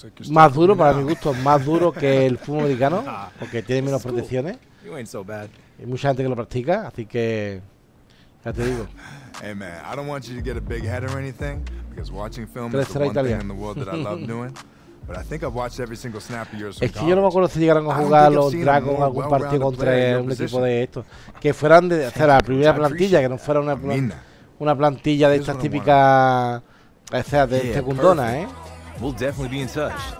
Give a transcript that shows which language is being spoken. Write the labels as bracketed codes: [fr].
[es] Más duro, para mi gusto, más duro que el fútbol americano, porque tiene menos protecciones. [en] You ain't so bad. [es] Hay mucha gente que lo practica, así que ya te digo. [en] Hey man, I don't want you to get a big head or anything, because watching film is the one thing in the world that I love doing. But I think I've watched every single snap of yours. [es] Es que yo no me acuerdo si llegaron a jugar los Dragons algún partido contra un equipo de estos, que fueran de hacer la primera plantilla, que no fuera una plantilla de estas típicas, o sea, de secundona, ¿eh? [en] We'll definitely be in touch.